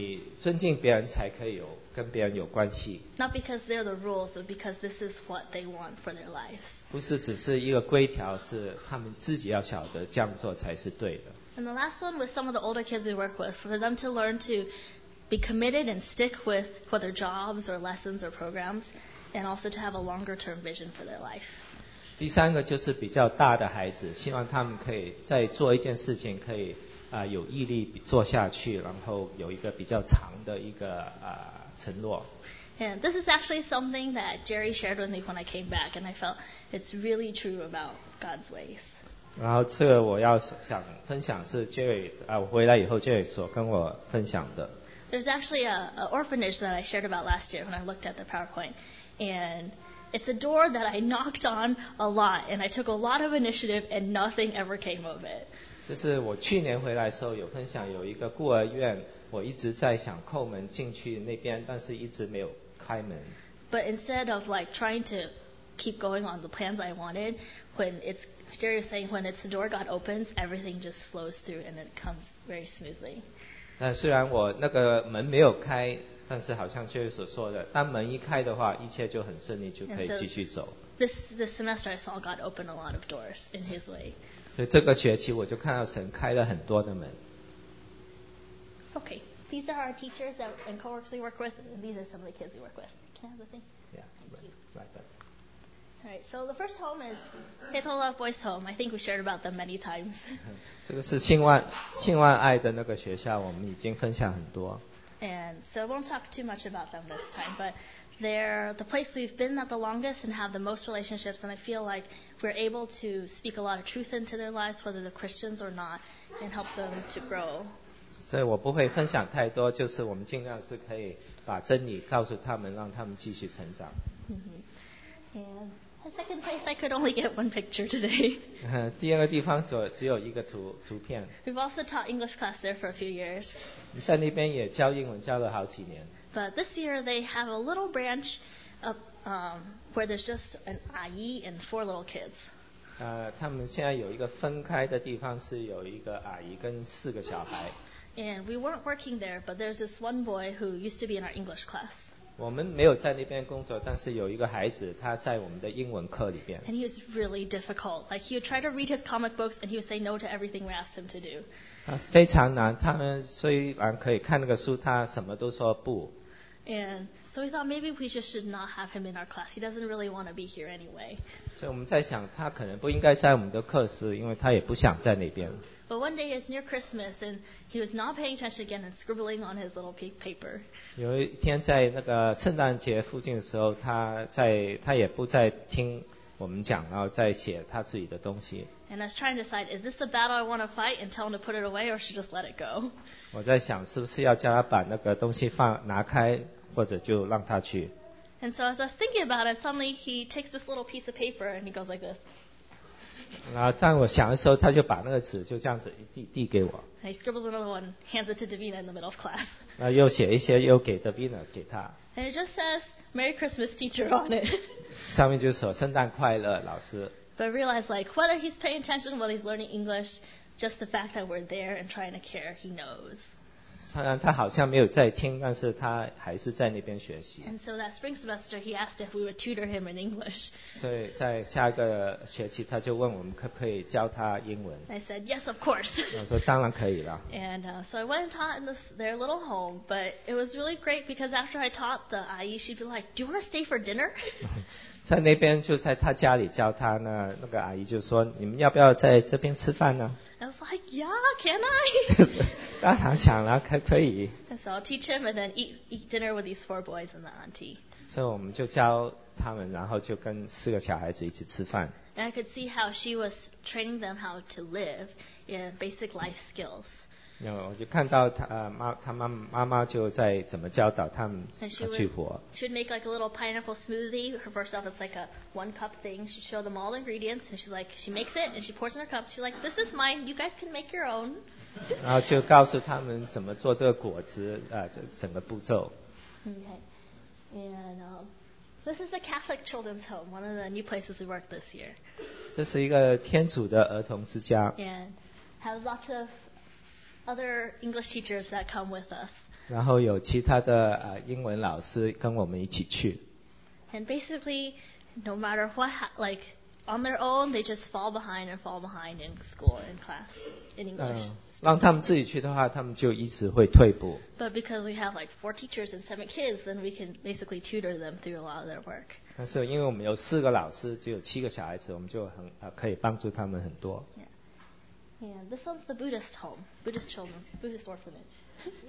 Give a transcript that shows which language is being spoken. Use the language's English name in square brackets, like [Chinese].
[Chinese] 但是要真的他们学到你尊敬别人才可以有跟别人有关系。 [English] Not because they're the rules, but because this is what they want for their lives. [Chinese] 不是只是一个规条, 是他们自己要晓得这样做才是对的。 [English] And the last one with some of the older kids we work with, for them to learn to be committed and stick with whether jobs or lessons or programs, and also to have a longer term vision for their life. [Chinese] 第三个就是比较大的孩子, 希望他们可以在做一件事情可以 有毅力做下去, 然后有一个比较长的一个 承诺。 [English] And this is actually something that Jerry shared with me when I came back, and I felt it's really true about God's ways. [Chinese] 然后这个我要想分享是 Jerry, 我回来以后 Jerry所跟我分享的。 [English] There's actually an orphanage that I shared about last year when I looked at the PowerPoint, and it's a door that I knocked on a lot, and I took a lot of initiative, and nothing ever came of it. [Chinese] 这是我去年回来的时候有分享，有一个孤儿院， 我一直在想叩门进去那边， 但是一直没有开门。 [English] But instead of like trying to keep going on the plans I wanted, when it's, Jerry was saying, when it's the door God opens, everything just flows through and it comes very smoothly. [Chinese] 虽然我那个门没有开， 但是好像Jerry所说的， 当门一开的话， 一切就很顺利就可以继续走。 [English] So this semester I saw God open a lot of doors in his way. [Chinese] 所以这个学期我就看到神开了很多的门。 [English] Okay, these are our teachers that, and co-workers we work with, and these are some of the kids we work with. Can I have the thing? Yeah, right, right there. Alright, so the first home is Hitola Boys Home. I think we shared about them many times. [Chinese] 这个是信万爱的那个学校，我们已经分享很多。 [English] And so I won't talk too much about them this time, but they're the place we've been at the longest and have the most relationships, and I feel like we're able to speak a lot of truth into their lives, whether they're Christians or not, and help them to grow. [Chinese] 所以我不会分享太多, 就是我们尽量是可以把真理告诉他们, 让他们继续成长。 [English] And the second place, I could only get one picture today. [Chinese] 第二个地方只有一个图片。 [English] We've also taught English class there for a few years. [Chinese] 在那边也教英文教了好几年。 [English] But this year they have a little branch up, where there's just an 阿姨 and four little kids. [Chinese] 他们现在有一个分开的地方是有一个阿姨跟四个小孩。 [English] And we weren't working there, but there's this one boy who used to be in our English class. [Chinese] 我们没有在那边工作, 但是有一个孩子, 他在我们的英文课里边。 [English] And he was really difficult. Like he would try to read his comic books and he would say no to everything we asked him to do. [Chinese] 非常难, 他们虽然可以看那个书, 他什么都说不。 [English] And so we thought maybe we just should not have him in our class. He doesn't really want to be here anyway. [Chinese] 所以我们在想, 他可能不应该在我们的课室, 因为他也不想在那边。 [English] But one day it's near Christmas and he was not paying attention again and scribbling on his little paper. [Chinese] 有一天在那个圣诞节附近的时候, 他也不再听我们讲, 然后再写他自己的东西。 [English] And I was trying to decide, is this a battle I want to fight and tell him to put it away or should just let it go? [Chinese] 我在想是不是要叫他把那个东西放拿开, 或者就让他去。 [English] And so as I was thinking about it, suddenly he takes this little piece of paper and he goes like this. [Chinese] 然后在我想的时候, 他就把那个纸就这样子递给我。 [English] And he scribbles another one, hands it to Davina in the middle of class. [Chinese] 又写一些, 又给Davina, 给他。 [English] And it just says, Merry Christmas, teacher, on it. [Chinese] 上面就说, 圣诞快乐, 老师。 [English] But I realize, like, whether he's paying attention, whether he's learning English, just the fact that we're there and trying to care, he knows. [Chinese] 虽然他好像没有在听, [English] and so that spring semester, he asked if we would tutor him in English. I said, yes, of course. [Chinese] 我说当然可以了。 [English] And so I went and taught in their little home, but it was really great because after I taught the 阿姨, she'd be like, do you want to stay for dinner? [Chinese] 在那边就在他家里教他呢，那个阿姨就说你们要不要在这边吃饭呢？ [English] I was like, yeah, can I? [Chinese] 当然想了，可以。 [English] And so I'll teach him and then eat dinner with these four boys and the auntie. [Chinese] 所以我们就教他们，然后就跟四个小孩子一起吃饭。 [English] And I could see how she was training them how to live in basic life skills. [Chinese] 我就看到他妈妈就在怎么教导他们去活。 [English] She would make like a little pineapple smoothie for herself. It's like a one cup thing. She'd show them all the ingredients and she's like, she makes it and she pours in her cup. She's like, this is mine. You guys can make your own. [Chinese] 然后就告诉他们怎么做这个果汁这整个步骤。 [English] Okay. And, this is the Catholic Children's Home, one of the new places we work this year. [Chinese] 这是一个天主的儿童之家。 [English] And have lots of other English teachers that come with us. [Chinese] 然后有其他的英文老师跟我们一起去。 [English] And basically, no matter what, like, on their own, they just fall behind in school, in class, in English. [Chinese] 让他们自己去的话，他们就一直会退步。 [English] But because we have like four teachers and seven kids, then we can basically tutor them through a lot of their work. [Chinese] 但是因为我们有四个老师，只有七个小孩子，我们就很可以帮助他们很多。 [English] Yeah. And this one's the Buddhist home, Buddhist children's, Buddhist orphanage.